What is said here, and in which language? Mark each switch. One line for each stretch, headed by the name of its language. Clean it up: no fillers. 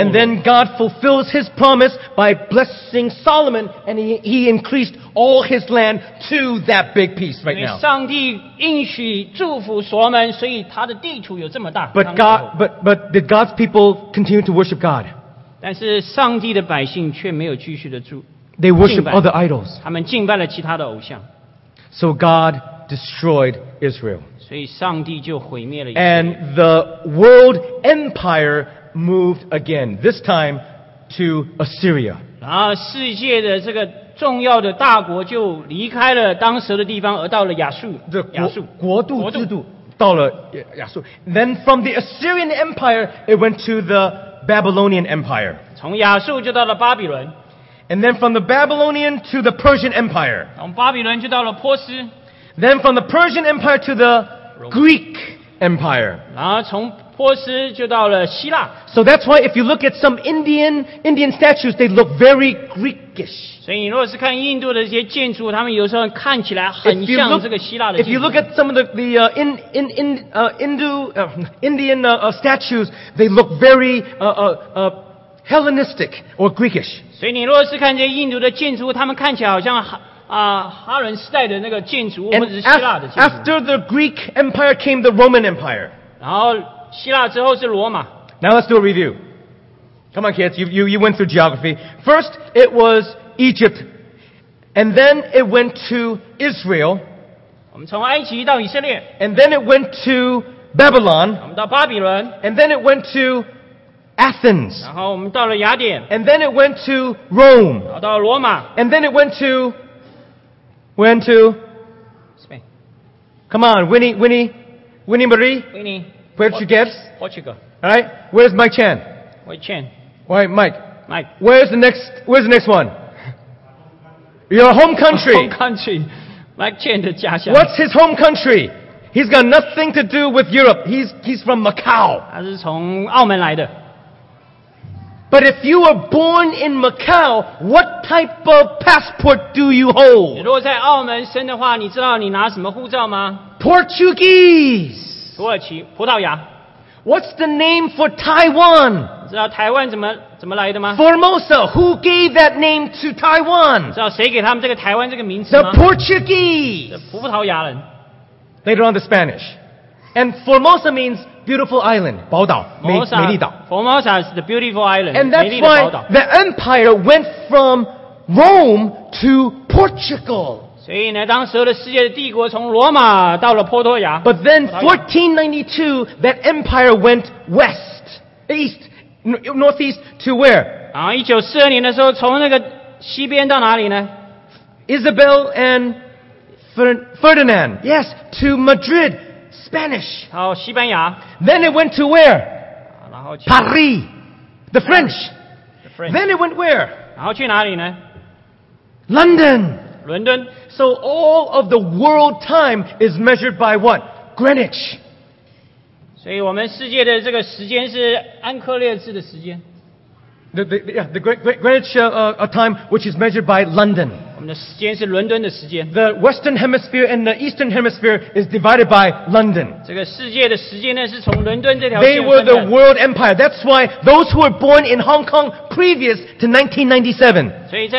Chinese: 有。
English: And then God fulfills His promise by blessing Solomon, and He increased all his land to that big piece right now.
Chinese: 因为上帝应许祝福所罗门，所以他的地图有这么大。
English: But did God's people continue to worship God?
Chinese: 但是上帝的百姓却没有继续的住
English: They worship other idols.
Chinese: 他们敬拜了其他的偶像。
English: So God destroyed Israel.
Chinese: 所以上帝就毁灭了以色列。
English: And the world empire moved again, this time to Assyria.
Chinese: 然后世界的这个重要的大国就离开了当时的地方而到了亚述。国度到了亚述。
English: Then from the Assyrian empire, it went to the... Babylonian Empire.
Chinese: 从亚述就到了巴比伦。
English: And then from the Babylonian to the Persian Empire.
Chinese: 从巴比伦就到了波斯。
English: Then from the Persian Empire to the Greek Empire.
Chinese: 然后从波斯就到了希腊。
English: So that's why if you look at some Indian statues, they look very Greekish.
Chinese: 所以你如果是看印度的这些建筑，他们有时候看起来很像这个希腊的建筑。
English: If you look at some of the Indian statues, they look very Hellenistic or Greekish.
Chinese: 所以你如果是看这些印度的建筑，他们看起来好像哈伦时代的那个建筑，或者是希腊的建筑。
English: After the Greek Empire came the Roman Empire.
Chinese: 然后希腊之后是罗马。
English: Now let's do a review. Come on, kids. You went through geography. First, it was Egypt, and then it went to Israel.
Chinese: 我们从埃及到以色列。
English: And then it went to Babylon.
Chinese: 我们到巴比伦。
English: And then it went to Athens.
Chinese: 然后我们到了雅典,
English: and then it went to Rome.
Chinese: 然后到罗马,
English: and then it went to Spain. Come on, Winnie Marie? Winnie. Where did you get? Portugal. Alright? Where's Mike Chan? Mike Chan. Why, Mike? Mike. Where's the next one? Your home country. Home country. Mike Chan
Chinese: 的家乡.
English: What's his home country? He's got nothing to do with Europe. He's from Macau.
Chinese: 他是从澳门来的.
English: But if you were born in Macau, what type of passport do you hold?
Chinese: 你如果在澳门生的话, 你知道你拿什么护照吗?
English: Portuguese.
Chinese: 土耳其, 葡萄牙.
English: What's the name for Taiwan?
Chinese: 你知道台湾怎么来的吗?
English: Formosa. Who gave that name to Taiwan?
Chinese: 你知道谁给他们这个台湾这个名字吗?
English: The Portuguese.
Chinese: 葡萄牙人.
English: Later on, the Spanish. And Formosa means beautiful island,
Chinese: 宝岛,
English: Formosa,
Chinese: 美丽岛.
English: Formosa is the beautiful island. And that's why the empire went from Rome to Portugal.
Chinese: 所以呢, 当时的世界帝国从罗马到了波多亚,
English: but then 1492, that empire went west, east, northeast to where?
Chinese: 然后1942年的时候, 从那个西边到哪里呢?
English: Isabel and Ferdinand, yes, to Madrid, Spanish.
Chinese: 然后西班牙,
English: then it went to where?
Chinese: 然后去,
English: Paris, the French. The French. Then it went where?
Chinese: 然后去哪里呢?
English: London.
Chinese: 伦敦.
English: So all of the world time is measured by what? Greenwich.
Chinese: 所以我们世界的这个时间是安克列治的时间.
English: The Greenwich time, which is measured by London. The Western Hemisphere and the Eastern Hemisphere is divided by London. They were the world empire. That's why those who were born in Hong Kong previous to 1997.